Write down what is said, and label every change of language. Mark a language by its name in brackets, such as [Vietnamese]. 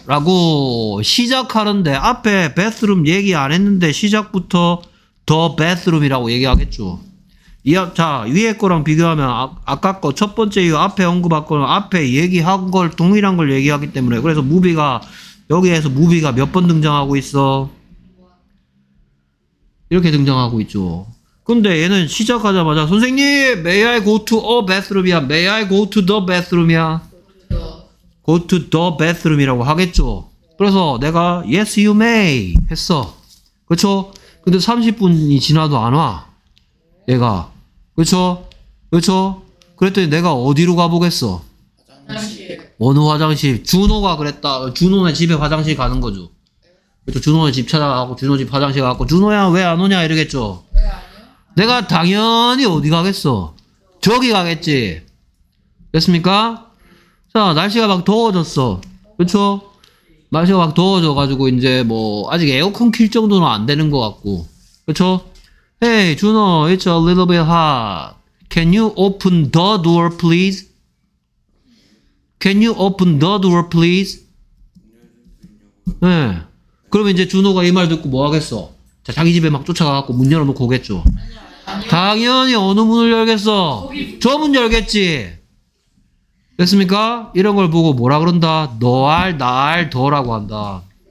[Korean] 라고 시작하는데 앞에 bathroom 얘기 안 했는데 시작부터 the bathroom이라고 얘기하겠죠. 자, 위에 거랑 비교하면 아까 거 첫 번째 이유 앞에 언급한 거는 앞에 얘기한 걸 동일한 걸 얘기하기 때문에 그래서 무비가 여기에서 무비가 몇 번 등장하고 있어? 이렇게 등장하고 있죠. 근데 얘는 시작하자마자 선생님 [English] May I go to a bathroom이야? May I go to the bathroom이야? Go to the bathroom이라고 하겠죠. [Korean] 그래서 내가 [English] Yes you may [Korean] 했어. 그렇죠? 근데 30분이 지나도 안 와. 얘가. 그렇죠? 그랬더니 내가 어디로 가보겠어? 화장실. 어느 화장실? 준호가 그랬다. 준호네 집에 화장실 가는 거죠. 그렇죠? 준호네 집 찾아가고 준호 집 화장실 가고 준호야 왜 안 오냐 이러겠죠. 왜 안 와요? 내가 당연히 어디 가겠어? 저기 가겠지. 됐습니까? 자, 날씨가 막 더워졌어. 그렇죠? 날씨가 막 더워져가지고 이제 뭐 아직 에어컨 킬 정도는 안 되는 것 같고. 그렇죠? [English] Hey, Juno, it's a little bit hot. Can you open the door, please? Can you open the door, please? [Korean] 네. 그러면 이제 준호가 이 말 듣고 뭐 하겠어? 자, 자기 집에 막 쫓아가서 문 열어놓고 오겠죠? 당연히 어느 문을 열겠어? 저 문 열겠지? 됐습니까? 이런 걸 보고 뭐라 그런다? 너알, 나알, 더라고 한다.